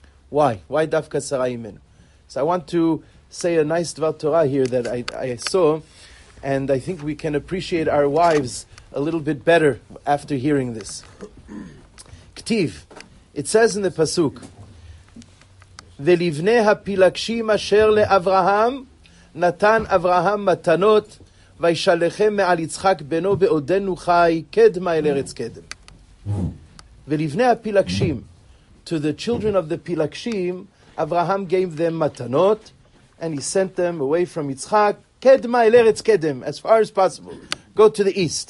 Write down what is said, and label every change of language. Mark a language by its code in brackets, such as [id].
[en] Why dafka Sarah Imenu? So I want to say a nice Dvar Torah here that I saw, and I think we can appreciate our wives a little bit better after hearing this. Ktiv, it says in the pasuk. [he] ולבני הפילגשים אשר לאברהם נתן אברהם מתנות וישלחם מעל יצחק בנו בעודנו חי קדמה אל ארץ קדם. ולבני הפילגשים, [en] to the children of the פילגשים, אברהם gave them מתנות, and he sent them away from יצחק [he] קדמה אל ארץ קדם, [en] as far as possible. Go to the east.